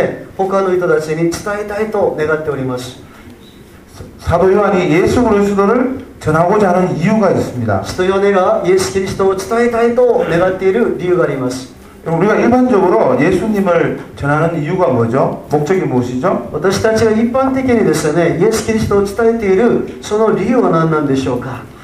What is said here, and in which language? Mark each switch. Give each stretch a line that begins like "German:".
Japanese: それで使徒ヨハネはこのロゴスをですね、他の人たちに伝えたいと願っております。
Korean: 사도 요한이 예수 그리스도를 전하고자 하는 이유가 있습니다. 사도 요한이가 예수 그리스도를
Japanese: 伝えたいと願っている理由があります。
Korean: 우리가 일반적으로 예수님을 전하는 이유가 뭐죠? 목적이 무엇이죠?
Japanese: 私たちが一般的にですね、イエスキリストを伝えているその理由は何なんでしょうか。